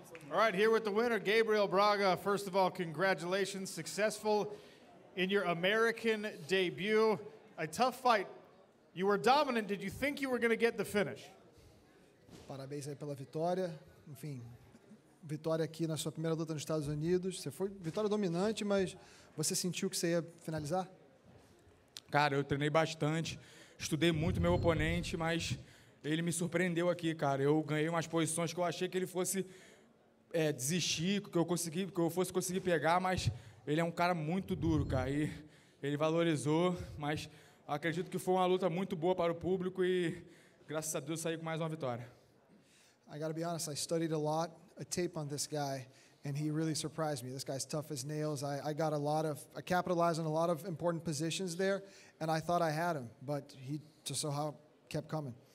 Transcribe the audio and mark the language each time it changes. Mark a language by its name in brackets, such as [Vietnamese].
[English] All right, here with the winner, Gabriel Braga. First of all, congratulations. Successful in your American debut. A tough fight. You were dominant. Did you think you were going to get the finish? [Portuguese] Parabéns aí pela vitória. Enfim, vitória aqui na sua primeira luta nos Estados Unidos. Você foi vitória dominante, mas você sentiu que você ia finalizar? Cara, eu treinei bastante. Estudei muito meu oponente, mas ele me surpreendeu aqui, cara. Eu ganhei umas posições que eu achei que ele fosse... desistir, que eu fosse conseguir pegar, mas ele é um cara muito duro, cara, e ele valorizou, mas acredito que foi uma luta muito boa para o público e graças a Deus saí com mais uma vitória. [English] I gotta be honest, I studied a tape on this guy, and he really surprised me. This guy's tough as nails. I capitalized on a lot of important positions there, and I thought I had him, but he just somehow kept coming.